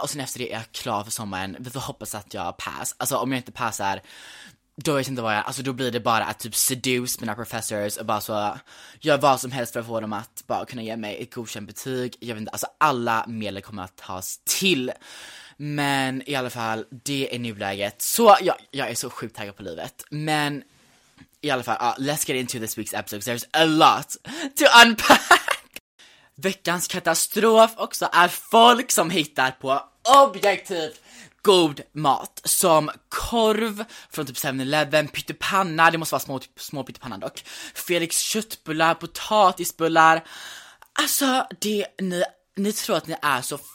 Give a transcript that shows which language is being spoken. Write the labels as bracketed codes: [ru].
[sv] Och sen efter det är jag klar för sommaren. Vi får hoppas att jag pass. Alltså om jag inte passar, då vet jag inte vad jag, alltså då blir det bara att typ seduce mina professors och bara så gör vad som helst för att få dem att bara kunna ge mig ett godkänt betyg. Jag vet inte, alltså alla medel kommer att tas till. Men i alla fall, det är nuläget. Så jag är så sjukt taggad på livet. Men i alla fall, [en] let's get into this week's episode, 'cause there's a lot to unpack. [sv] Veckans katastrof också är folk som hittar på objektivt god mat, som korv från typ 7-11, pyttepanna, det måste vara små pyttepanna dock, Felix köttbullar, potatisbullar. Alltså, det, ni tror att ni är så